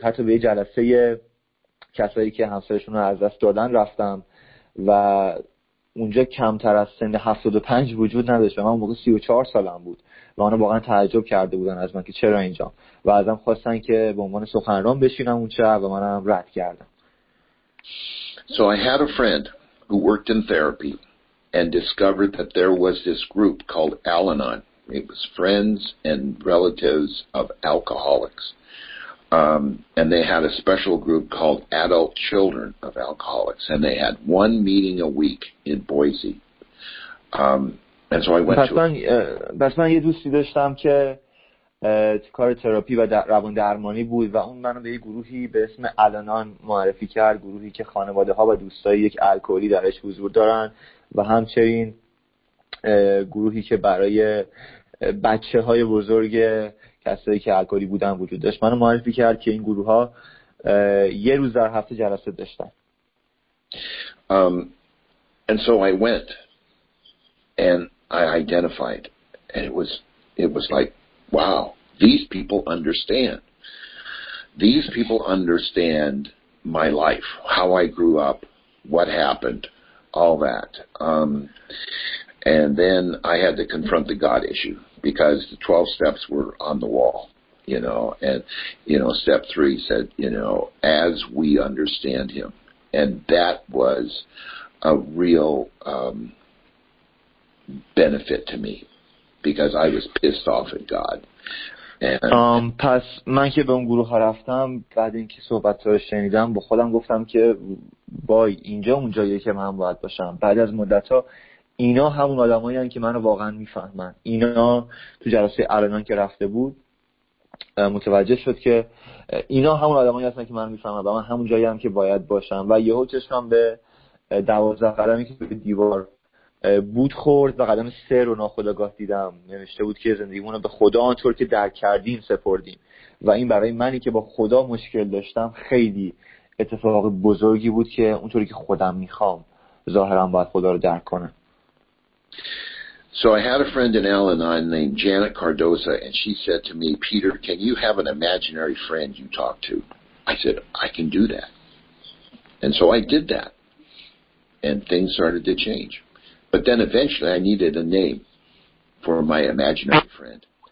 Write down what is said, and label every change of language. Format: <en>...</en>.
<fa>حتی به یه جلسه کسایی که همسرشون رو از دست دادن رفتم و اونجا کمتر از سن 75 وجود نداشت و من موقع 34 سالم بود و آنها واقعا تعجب کرده بودن از من که چرا اینجا، و ازم خواستن که به عنوان سخنران بشینم اونجا و منم رد کردم.</fa> <en>So I had a friend who worked in therapy and discovered that there was this group called Al-Anon. It was friends and relatives of alcoholics. And they had a special group called Adult Children of Alcoholics, and they had one meeting a week in Boise. And so I went to</en> <fa>بس من یه دوستی داشتم که تو کار تراپی و روان درمانی بود و اون منو به یه گروهی به اسم الانان معرفی کرد، گروهی که خانواده ها و دوستای یک الکلی درش حضور دارن و همچنین گروهی که برای بچه های بزرگ کسایی که الکلی بودن وجود داشت. منو معرفی کرد که این گروه ها یه روز در هفته جلسه داشتن.</fa> <en>And so I went and I identified, and it was like, wow, these people understand my life, how I grew up, what happened, all that. And then I had to confront the God issue, because the 12 steps were on the wall, you know. And you know, step 3 said, you know, as we understand him. And that was a real benefit to me, because I was pissed off at God.</en> <fa>پس من که به اون گروه ها رفتم، بعد اینکه صحبت رو شنیدم با خودم گفتم که بای، اینجا اونجایی که من باید باشم. بعد از مدت ها اینا همون آدم هایی هم که من رو واقعا میفهمن. اینا تو جلسه الانان که رفته بود متوجه شد که اینا همون آدم هایی هستن که من رو میفهمن و من همون جایی هم که باید باشم. و یهو چشمم به 12 قدمی که به دیوار بود خورد و قدم 3 رو ناخودآگاه دیدم. نوشته بود که زندگیمون رو به خدا آنطور که درک کردیم سپردیم، و این برای منی که با خدا مشکل داشتم خیلی اتفاق بزرگی بود که اونطوری که خودم میخوام ظاهرا باید خدا رو درک کنم.</fa> <en>So I had a friend in Al-Anon named Janet Cardoza, and she said to me, Peter, can you have an imaginary friend you talk to? I said, I can do that. And so I did that, and things started to change. But then eventually I needed a name for my imaginary friend.</en>